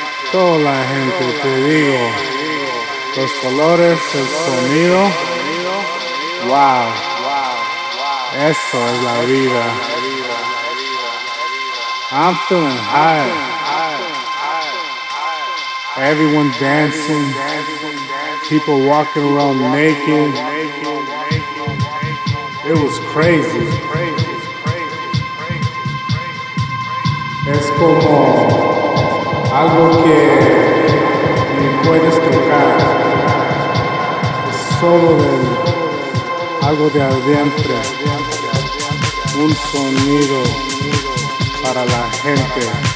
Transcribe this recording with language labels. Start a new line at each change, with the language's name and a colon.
Spanish: Toda la gente, te digo, los colores, el sonido, wow, eso es la vida.
English: I'm feeling high, everyone dancing, people walking around naked, it was crazy.
Spanish: Es como algo que ni puedes tocar, es solo del, algo de adentro, un sonido para la gente.